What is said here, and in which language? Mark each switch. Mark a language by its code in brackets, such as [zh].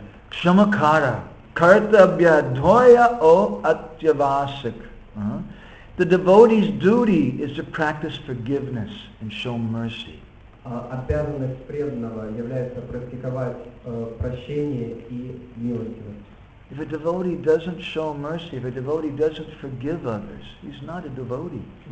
[bn] Shamakara kartavya dhoya o atyavasik. [en] The devotee's duty is to practice forgiveness and show mercy. [ru] Обязанность преданного является практиковать прощение и милостивость. [en] If a devotee doesn't show mercy, if a devotee doesn't forgive others, he's not a devotee.